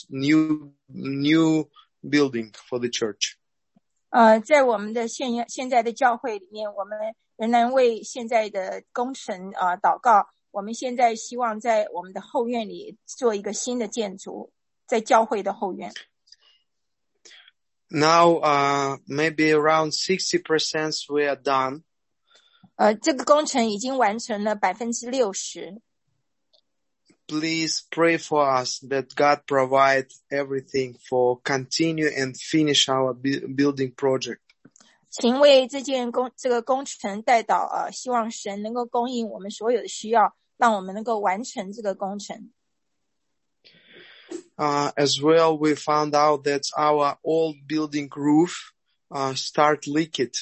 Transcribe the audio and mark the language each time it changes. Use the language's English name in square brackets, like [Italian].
[English] New building for the church. [Chinese] 在我们的现在的教会里面，我们仍然为现在的工程祷告。我们现在希望在我们的后院里做一个新的建筑，在教会的后院。 [English] Now, maybe around 60% we are done. [Chinese] 这个工程已经完成了60%。 [English] Please pray for us that God provide everything for continue and finish our building project. [Chinese] 请为这个工程代祷希望神能够供应我们所有的需要，让我们能够完成这个工程。 [English] As well, we found out that our old building roof start leaking.